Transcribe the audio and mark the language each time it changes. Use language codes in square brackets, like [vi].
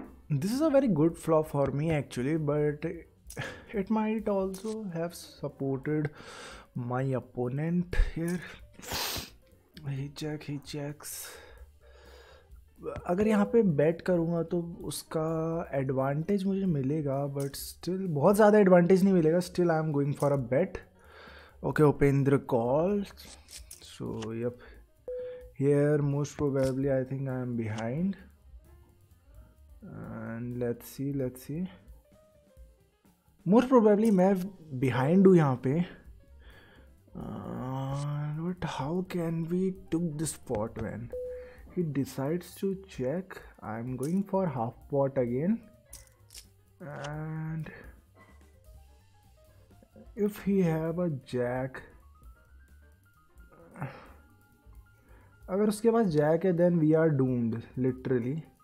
[en] This is a very good flop for me actually, but it might also have supported my opponent here. He checks. [hi] अगर यहाँ पे bat करूँगा तो उसका advantage मुझे मिलेगा, बट स्टिल बहुत ज़्यादा एडवांटेज नहीं मिलेगा. [en] Still I am going for a bet. Okay, Upendra call. So yup, here most probably I think I am behind. And let's see, most probably [hi] मैं बिहाइंड हूँ यहाँ पे. [en] But how can we took this spot when he decides to check. I'm going for half pot again, and if he have a jack, [hi] agar uske paas jack hai [en] then we are doomed literally.